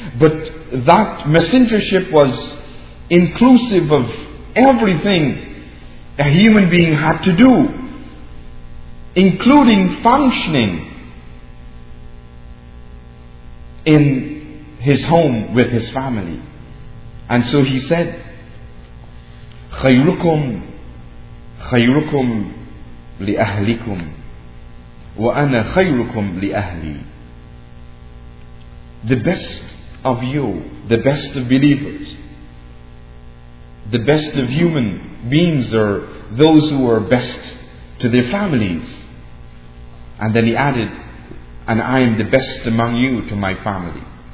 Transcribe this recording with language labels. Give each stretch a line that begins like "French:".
English: But that messengership was inclusive of everything a human being had to do, including functioning in his home with his family, And so he said,
Arabic: خَيْرُكُمْ خَيْرُكُمْ لِأَهْلِكُمْ وَأَنَا خَيْرُكُمْ لِأَهْلِي.
English: The best of you, the best of believers, the best of human beings are those who are best to their families. And then he added, and I am the best among you to my family.